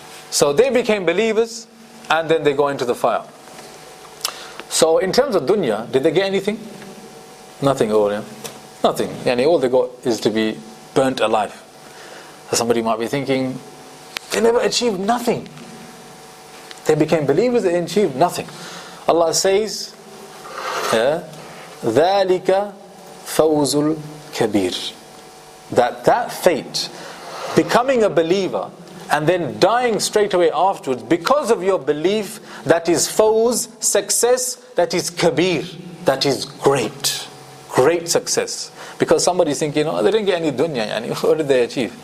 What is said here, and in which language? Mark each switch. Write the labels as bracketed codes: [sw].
[en] So they became believers, and then they go into the fire. So in terms of dunya, did they get anything? Nothing at all, yeah? Nothing. And all they got is to be burnt alive. So somebody might be thinking, they never achieved nothing. They became believers, they achieved nothing. Allah says, [ar] ذَلِكَ فَوْزُ الْكَبِيرِ. [en] That fate, becoming a believer, and then dying straight away afterwards because of your belief, that is fawz, success, that is kabir, that is great. Great success. Because somebody's thinking, oh, they didn't get any dunya, yani. What did they achieve?